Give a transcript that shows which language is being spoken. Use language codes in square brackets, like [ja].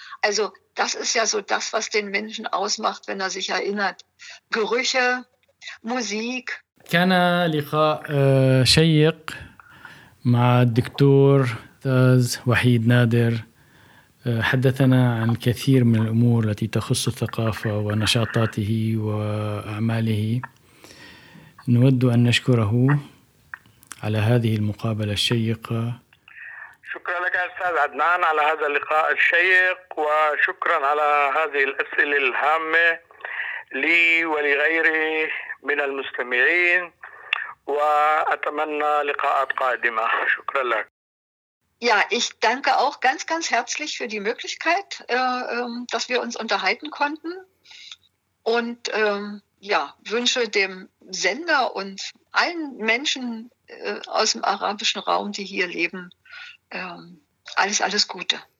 [de] Also das ist ja so das, was den Menschen ausmacht, wenn er sich erinnert. Gerüche, Musik. [ar] كان لقاء شيق مع الدكتور تاز وحيد نادر حدثنا عن كثير من الأمور التي تخص الثقافة ونشاطاته وأعماله نود أن نشكره على هذه المقابلة الشيقة شكرا لك أستاذ عدنان على هذا اللقاء الشيق وشكرا على هذه الأسئلة الهامة لي ولغيري من المستمعين وأتمنى لقاءات قادمة شكرا لك [de] Ja, ich danke auch ganz, ganz herzlich für die Möglichkeit, dass wir uns unterhalten konnten. Und ja, wünsche dem Sender und allen Menschen aus dem arabischen Raum, die hier leben, alles, alles Gute.